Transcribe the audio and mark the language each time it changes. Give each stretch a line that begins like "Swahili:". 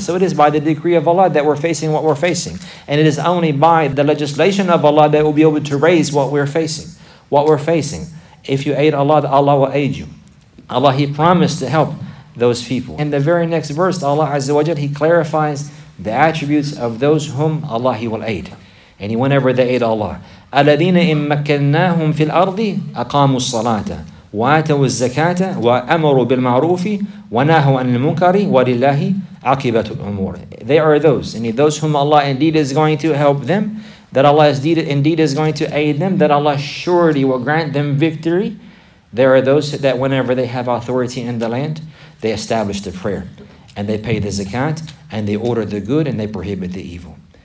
English: So it is by the decree of Allah that we're facing what we're facing. And it is only by the legislation of Allah that we'll be able to raise what we're facing. What we're facing. If you aid Allah, Allah will aid you. Allah, He promised to help those people. In the very next verse, Allah Azza wa Jal, He clarifies the attributes of those whom Allah, He will aid. And whenever they aid Allah.
Arabic: الذين إن مكناهم في الأرض أقاموا الصلاة وآتوا الزكاة وأمروا بالمعروف ونهوا عن المنكر ولله عاقبة الأمور.
English: They are those, indeed those whom Allah indeed is going to help them, that Allah indeed is going to aid them, that Allah surely will grant them victory. There are those that whenever they have authority in the land, they establish the prayer and they pay the zakat and they order the good and they prohibit the evil.